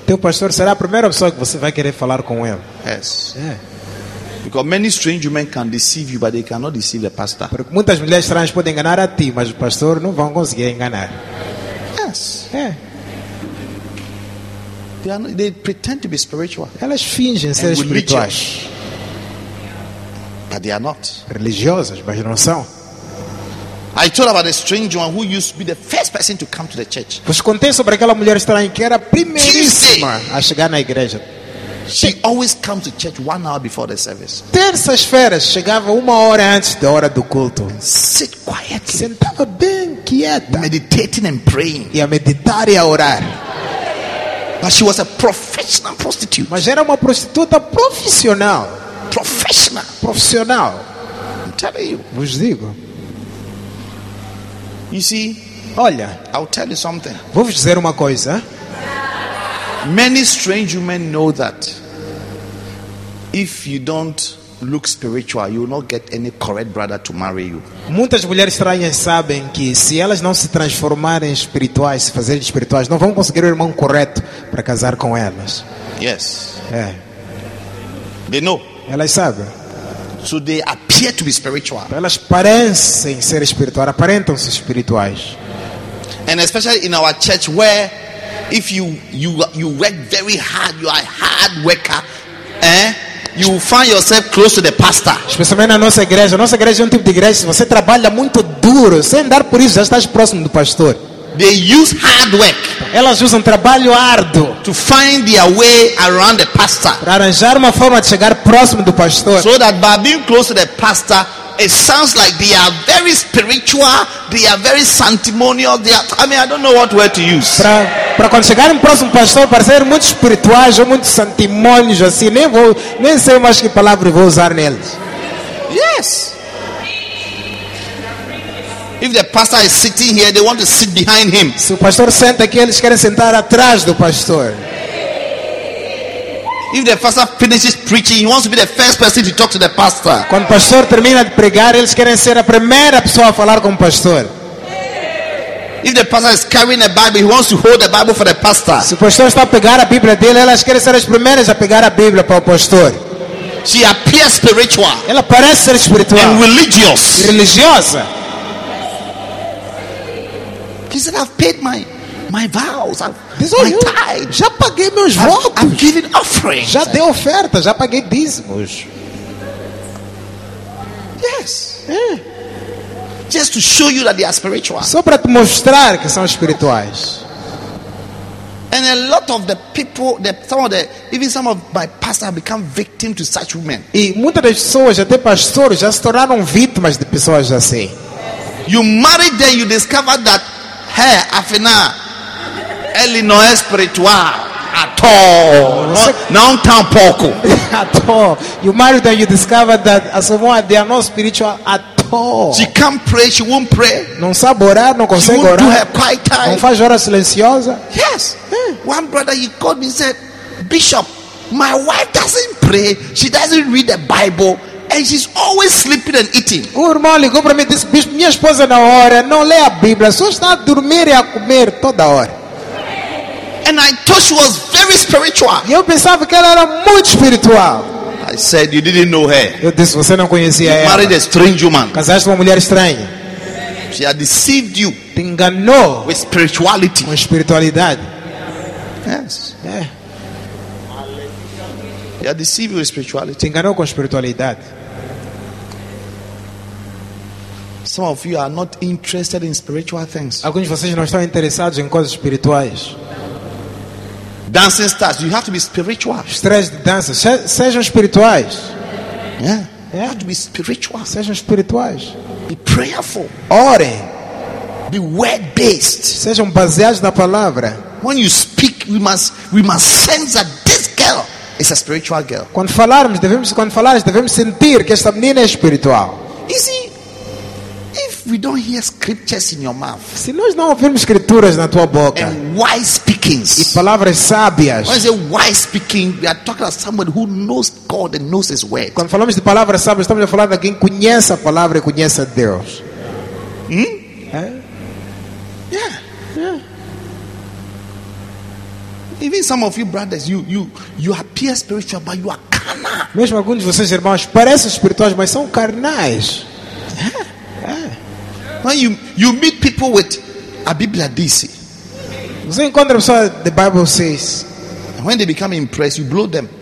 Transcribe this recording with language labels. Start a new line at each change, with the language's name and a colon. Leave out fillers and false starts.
Portuguese: Teu pastor será a primeira pessoa que você vai querer falar com ele.
English: Yes. Yeah. Because many strange men can deceive you, but they cannot deceive a pastor.
Portuguese: Porque muitas mulheres estranhas podem enganar a ti, mas o pastor não vão conseguir enganar.
English: Yes. Yeah. They pretend to be spiritual.
Portuguese: Elas fingem ser espirituais.
English: But they are not
Portuguese: religiosas, mas não são.
English: I told about a strange one who used to be the first person to come to the church.
Portuguese: Vos contei sobre aquela mulher estranha que era a primeiríssima a chegar na igreja.
English: She always comes to church 1 hour before the service.
Portuguese: Terças-feiras chegava 1 hora antes da hora do culto.
English: And sit quietly.
Portuguese: Sentava bem quieta.
English: Meditating and praying.
Portuguese: E a meditar e a orar.
English: But she was a professional prostitute.
Portuguese: Mas era uma prostituta profissional. Profissional.
English: I'm telling you.
Portuguese: Vos digo.
English: You see,
Portuguese: olha,
English: I'll tell you something.
Portuguese: Vou vos dizer uma coisa.
English: Many strange women know that if you don't look spiritual, you will not get any correct brother to marry you.
Portuguese: Muitas mulheres estranhas sabem que se elas não se transformarem espirituais, se fazerem espirituais, não vão conseguir o irmão correto para casar com elas.
English: Yes.
Portuguese: É.
English: They know.
Portuguese: Elas sabem.
English: So they appear to be spiritual.
Portuguese: Elas parecem ser espirituais, aparentam ser espirituais.
English: And especially in our church where if you work very hard, you are a hard worker, eh? You find yourself close to the pastor.
Portuguese: Especialmente na nossa igreja. Nossa igreja é um tipo de igreja. Você trabalha muito duro, sem dar por isso, já estás próximo do pastor.
English: They use hard work.
Portuguese: Elas usam trabalho árduo
English: to find their way around the pastor.
Portuguese: Para arranjar uma forma de chegar próximo do pastor.
English: So that by being close to the pastor, it sounds like they are very spiritual, they are very sanctimonious. I don't know what word to use.
Portuguese: Para quando chegarem próximo do pastor, parecer muito espirituais ou muito santimônios, assim, nem sei mais que palavra vou usar neles.
English: Yes. If the pastor is sitting here, they want to sit behind him.
Portuguese: Se o pastor senta aqui, eles querem sentar atrás do pastor.
English: If the pastor finishes preaching, he wants to be the first person to talk to the pastor.
Portuguese: Quando o pastor termina de pregar, eles querem ser a primeira pessoa a falar com o pastor.
English: If the pastor is carrying a Bible, he wants to hold the Bible for the pastor.
Portuguese: Se o pastor está a pegar a Bíblia dele, elas querem ser as primeiras a pegar a Bíblia para o pastor.
English: She appears spiritual.
Portuguese: Ela parece ser espiritual.
English: And religious.
Portuguese: E religiosa.
English: She said, "I've paid my vows. My tithe.
Portuguese: Já paguei meus votos.
English: I've given offerings.
Portuguese: Já dei oferta. Já paguei dízimos."
English: Yes. Yeah. Just to show you that they are spiritual.
Portuguese: Só para te mostrar que são espirituais.
English: And a lot of the people, some of my pastors have become victim to such women.
Portuguese: E muitas das pessoas, até pastores, já se tornaram vítimas de pessoas assim.
English: You marry them, you discover that her,
Portuguese: Afina, ele não é espiritual.
English: At all.
Portuguese: Não tampouco.
English: At all. You marry them, you discover that as a woman, they are not spiritual at all. She can't pray, she won't pray.
Portuguese: Não sabe orar, não consegue orar.
English: She won't do her quiet time.
Portuguese: Não faz hora silenciosa.
English: Yes. Yeah. One brother, he called me and said, "Bishop, my wife doesn't pray, she doesn't read the Bible, and she's always sleeping and eating."
Portuguese: O irmão ligou para mim e disse, "Bishop, minha esposa não ora, não lê a Bíblia, só está a dormir e a comer toda hora."
English: And I thought she was very spiritual.
Portuguese: Eu pensava que ela era muito espiritual.
English: I said, "You didn't know her."
Portuguese: Eu disse, você não conhecia ela.
English: You married
Portuguese: ela.
English: A strange woman.
Portuguese: Casaste uma mulher estranha.
English: She had deceived you.
Portuguese: Te enganou.
English: With spirituality.
Portuguese: Com espiritualidade.
English: Yes. Yeah. She had deceived you with spirituality.
Portuguese: Te enganou com espiritualidade.
English: Some of you are not interested in spiritual things.
Portuguese: Alguns de vocês não estão interessados em coisas espirituais.
English: Dancing stars, you have to be spiritual.
Portuguese: Stress de dança, sejam espirituais.
English: Yeah. Yeah. You have to be spiritual.
Portuguese: Sejam espirituais.
English: Be prayerful.
Portuguese: Ore.
English: Be word based.
Portuguese: Sejam baseados na palavra.
English: When you speak, we must sense that this girl is a spiritual girl.
Portuguese: Quando falarmos, devemos sentir que esta menina é espiritual.
English: Easy. We don't hear scriptures in your mouth.
Portuguese: Se nós não ouvirmos escrituras na tua boca.
English: And wise speakings.
Portuguese: E palavras sábias.
English: When I say wise speaking, we are talking about someone who knows God and knows His word.
Portuguese: Quando falamos de palavras sábias, estamos a falar de alguém que conhece a palavra e conhece a Deus. Hmm?
English: Yeah. Even some of you brothers, you appear spiritual, but you are carnal.
Portuguese: Mesmo alguns de vocês irmãos parecem espirituais, mas são carnais.
English: When you meet people with a Bíblia DC,
Portuguese: você encontra pessoas
English: the Bible says, and when they become impressed, you blow them.